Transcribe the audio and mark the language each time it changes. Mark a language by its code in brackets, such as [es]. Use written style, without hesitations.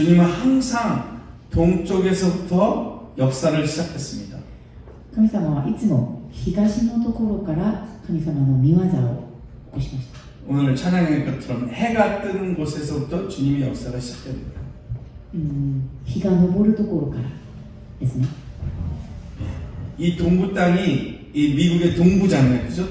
[ko] 주님은 항상 동쪽에서부터 역사를 시작했습니다. [ja] 神様はいつも東のところから神様の御業を起こしました。 [ko] 오늘 찬양의 것처럼 해가 뜨는 곳에서부터 주님의 역사를 시작합니다. [ja] 日が昇るところからですね。 [ko] 이 동부 땅이 이 미국의 동부잖아요, 그렇죠?